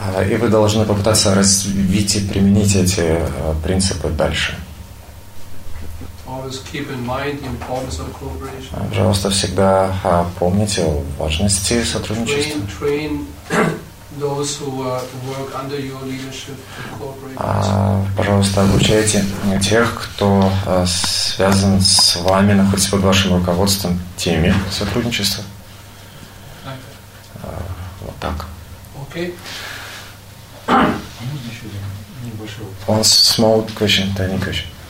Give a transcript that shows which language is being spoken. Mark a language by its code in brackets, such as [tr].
[ru] И вы должны попытаться развить и применить эти принципы дальше. [en] Always keep in mind the importance of cooperation. [ru] Пожалуйста, всегда помните о важности сотрудничества. [en] Train those who work under your leadership to cooperate. [ru] Пожалуйста, обучайте тех, кто связан с вами, находится под вашим руководством, теме сотрудничества. Вот так. [en] Okay. One small question, tiny question.